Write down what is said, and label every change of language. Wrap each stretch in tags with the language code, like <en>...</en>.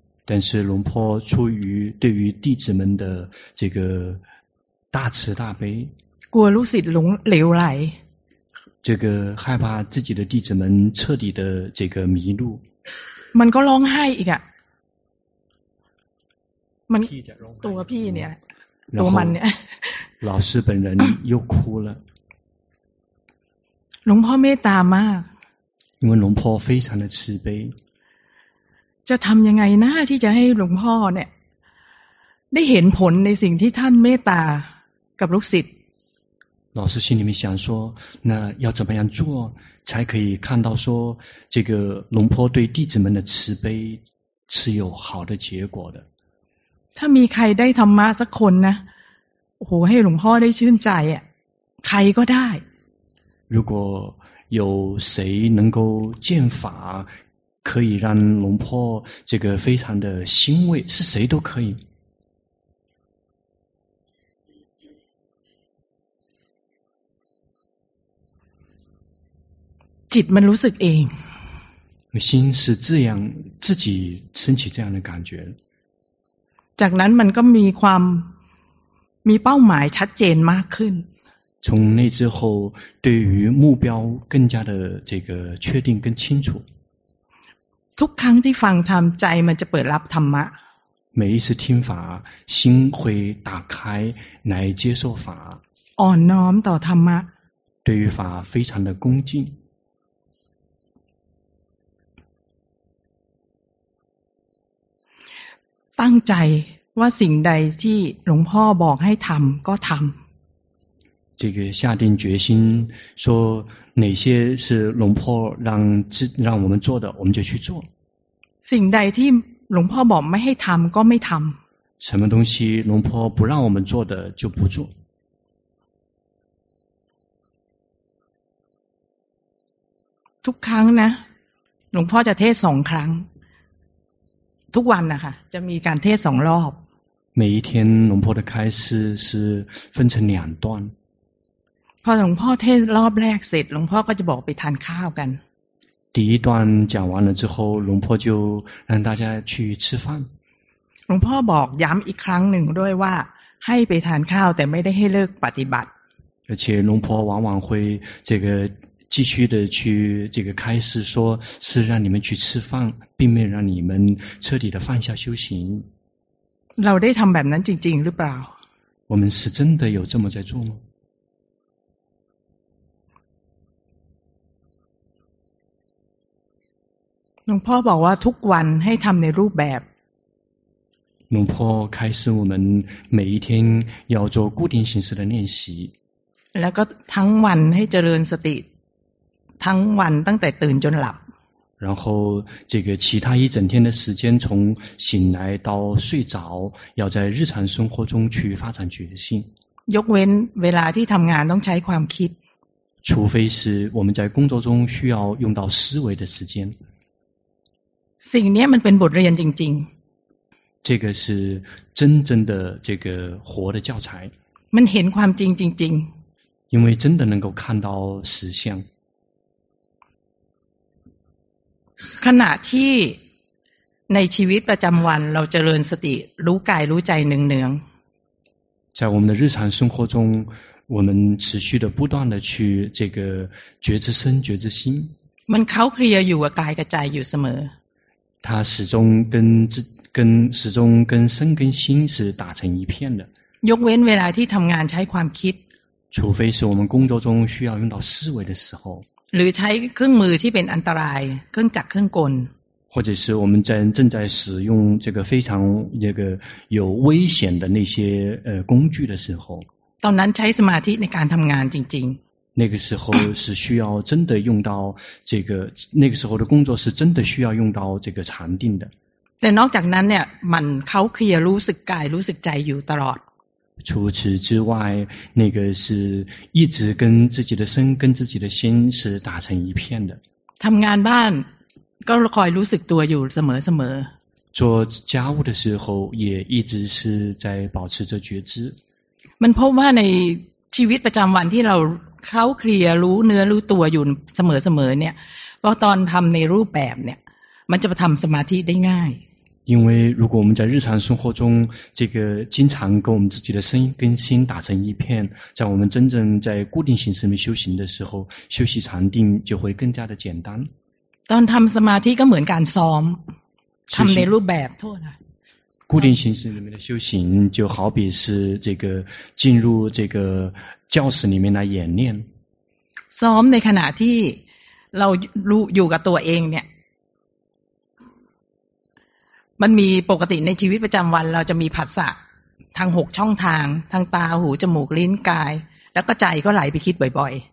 <zh>但是龙坡出于对于弟子们的这个大慈大悲过入室龙流来这个害怕自己的弟子们彻底的这个迷路</zh> <th>มันก็ร้องไห้อีกอ่ะมันตัวพี่เนี่ยตัวมันเนี่ย</th> <zh>老师本人又哭了</zh> <th>หลวงพ่อเมตตามาก</th> <zh>因为หลวงพ่อ非常的慈悲</zh> <th>จะทำยังไงนะที่จะให้หลวงพ่อเนี่ยได้เห็นผลในสิ่งที่ท่านเมตตากับลูกศิษย์</th> <zh>老师心里面想说那要怎么样做才可以看到说这个龙坡对弟子们的慈悲是有好的结果的</zh> <th>ถ้ามีใครได้ธรรมะสักคนนะโหให้หลวงพ่อได้ชื่นใจอ่ะใครก็ได้</th> <zh>如果有谁能够见法可以让龙坡这个非常的欣慰是谁都可以</zh> <th>จิตมันรู้สึกเอง</th> <zh>心是这样自己升起这样的感觉</zh> <th>จากนั้นมันก็มีความมีเป้าหมายชัดเจนมากขึ้น</th> <zh>从那之后对于目标更加的这个确定更清楚</zh> <th>ทุกครั้งที่ฟังธรรมใจมันจะเปิดรับธรรมะ</th> <zh>每一次听法心会打开来接受法</zh> <th>อ่อนน้อมต่อธรรมะ</th> <zh>对于法非常的恭敬</zh> <th>ตั้งใจว่าสิ่งใดที่หลวงพ่อบอกให้ทำก็ทำ</th> <zh>这个下定决心说哪些是หลวงพ่อ让我们做的我们就去做</zh> <th>สิ่งใดที่หลวงพ่อบอกไม่ให้ทำก็ไม่ทำ</th> <zh>什么东西หลวงพ่อ不让我们做的就不做</zh> <th>ทุกครั้งนะหลวงพ่อจะเทศสองครั้งทุกวันนะคะจะมีการเทศสองรอบ</th> <zh>每一天หลวงพ่อ的开示是分成两段</zh> <th>พอหลวงพ่อเทศรอบแรกเสร็จหลวงพ่อก็จะบอกไปทานข้าวกัน</th> <zh>第一段讲完了之后หลวงพ่อ就让大家去吃饭</zh> <th>หลวงพ่อบอกย้ำอีกครั้งหนึ่งด้วยว่าให้ไปทานข้าวแต่ไม่ได้ให้เลิกปฏิบัติ</th> <zh>而且หลวงพ่อ往往会这个继续的去这个开示说是让你们去吃饭并没有让你们彻底的放下修行</zh> <th>เราได้ทำแบบนั้นจริงๆหรือเปล่า</th> <zh>我们是真的有这么在做吗</zh> <th>หลวงพ่อบอกว่าทุกวันให้ทำในรูปแบบ</th> <zh>หลวงพ่อ开示我们每一天要做固定形式的练习</zh> <th>แล้วก็ทั้งวันให้เจริญสติทั้งวันตั้งแต่ตื่นจนหลับ</th> <zh>然后这个其他一整天的时间从醒来到睡着要在日常生活中去发展决心</zh> <th>ยกเว้นเวลาที่ทำงานต้องใช้ความคิด</th> <zh>除非是我们在工作中需要用到思维的时间</zh> <th>สิ่งนี้มันเป็นบทเรียนจริง</th> <zh>ๆ这个是真正的这个活的教材</zh> <th>มันเห็นความจริงจริง</th> <zh>因为真的能够看到实相</zh> <th>ขณะที่ในชีวิตประจำวันเราเจริญสติรู้กายรู้ใจเนือง</th> <zh>ๆ在我们的日常生活中我们持续的不断的去这个觉知身觉知心</zh> <th>มันเข้าเคลียร์อยู่กับกายกับใจอยู่เสม</th> <zh>อ它始终跟身跟心是打成一片的</zh> <th>ยกเว้นเวลาที่ทำงานใช้ความคิด</th> <zh>除非是我们工作中需要用到思维的时候</zh> <th>หรือใช้เครื่องมือที่เป็นอันตรายเครื่องจักรเครื่องกล</th> <zh>或者是我们正在使用这个非常这个有危险的那些工具的时候</zh> <th>ตอนนั้นใช้สมาธิในการทำงานจริง</th> <zh>ๆ那个时候是需要真的用到这个那个时候的工作是真的需要用到这个禅定的</zh> <th>แต่นอกจากนั้นเนี่ยมันเขาเคลียร์รู้สึกกายรู้สึกใจอยู่ตลอด</th> <zh>除此之外那个是一直跟自己的身跟自己的心是打成一片的</zh> <th>ทำงานบ้านก็คอยรู้สึกตัวอยู่เสมอ</th> <zh>ๆ做家务的时候也一直是在保持着觉知</zh> <th>มันพบว่าในชีวิตประจำวันที่เราเข้าเคลียร์รู้เนื้อรู้ตัวอยู่เสมอๆเนี่ยพอตอนทำในรูปแบบเนี่ยมันจะทำสมาธิได้ง่าย</th> <zh>因为如果我们在日常生活中这个经常跟我们自己的身跟心打成一片在我们真正在固定形式里面修行的时候修习禅定就会更加的简单</zh> <th>ตอนทำสมาธิก็เหมือนการซ้อมทำในรูปแบบโทษนะ</th> <zh>固定形式里面的修行就好比是这个进入这个教室里面来演练</zh> <th>ซ้อมในขณะที่เราอยู่กับตัวเองเนี่ยมันมีปกติในชีวิตประจำวันเราจะมีผัสสะทาง6ช่องทางทางตาหูจมูกลิ้นกายแล้วก็ใจก็ไหลไปคิดบ่อย</th>